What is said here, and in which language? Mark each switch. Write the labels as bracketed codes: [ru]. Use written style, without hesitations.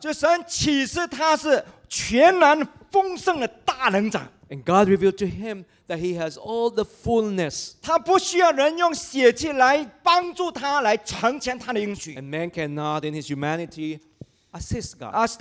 [zh] 就神启示他是全然丰盛的大能长。 [en] And God revealed to him that he has all the fullness. [zh] 他不需要人用血气来帮助他，来成全他的应许。 [en] And man cannot, in his humanity, assist God.